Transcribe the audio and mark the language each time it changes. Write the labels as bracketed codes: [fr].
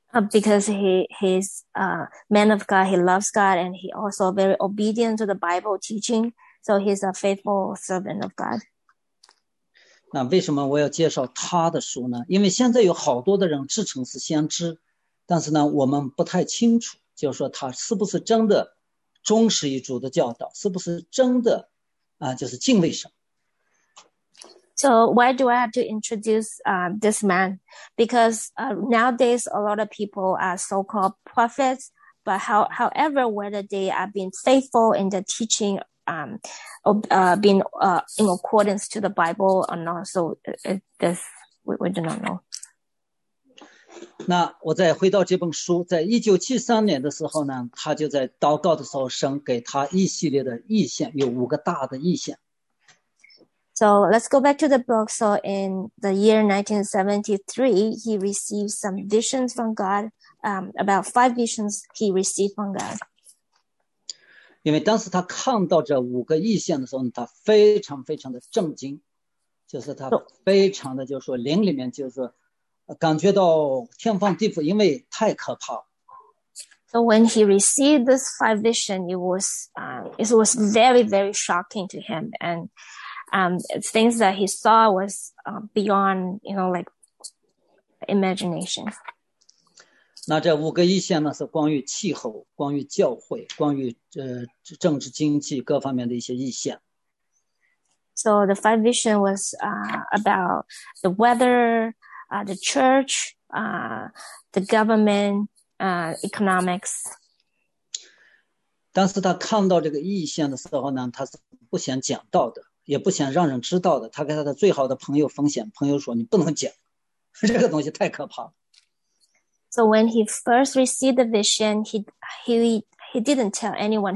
[en] Because he's a man of God, he loves God, and he also very obedient to the Bible teaching, so he's a faithful servant of God. [zh] 那为什么我要介绍他的书呢？因为现在有好多的人自称是先知，但是呢，我们不太清楚。就是说他是不是真的忠实于主的教导，是不是真的就是敬畏神。 [en] So why do I have to introduce this man? Because nowadays a lot of people are so-called prophets, but however whether they are being faithful in the teaching, being in accordance to the Bible or not, so this we do not know. [zh] 那我再回到这本书，在1973年的时候呢，他就在祷告的时候，神给他一系列的异象，有五个大的异象。 [en] So let's go back to the book. So in the year 1973, he received some visions from God. About five visions he received from God. [zh] 因为当时他看到这五个异象的时候呢，他非常非常的震惊，就是他非常的就是说灵里面就是说。感觉到天翻地覆，因为太可怕。 [en] So when he received this five vision, it was very, very shocking to him. And things that he saw was beyond, you know, like imagination. [zh] 那这五个意象呢，是关于气候、关于教会、关于政治经济各方面的一些意象。 [en] So the five vision was about the weather,the church, the government, economics. [zh] 但是他看到这个异象的时候呢，他是不想讲道的，也不想让人知道的。他跟他的最好的朋友分享，朋友说你不能讲，这个东西太可怕了。 [en] So when he first received the vision, he didn't tell anyone.